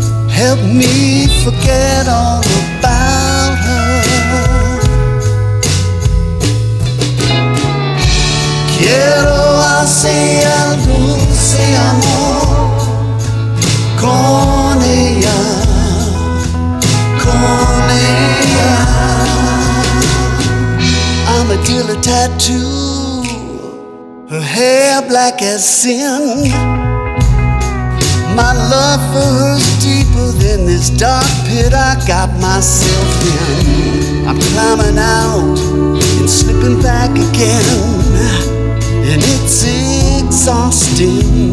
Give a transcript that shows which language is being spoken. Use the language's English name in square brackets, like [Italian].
[English] Help me forget all about her. [Spanish] Quiero hacer el dulce amor con ella, con ella. [English] I'm a dealer tattoo, her hair black as sin. My love for her's deeper than this dark pit I got myself in. I'm climbing out and slipping back again, and it's exhausting.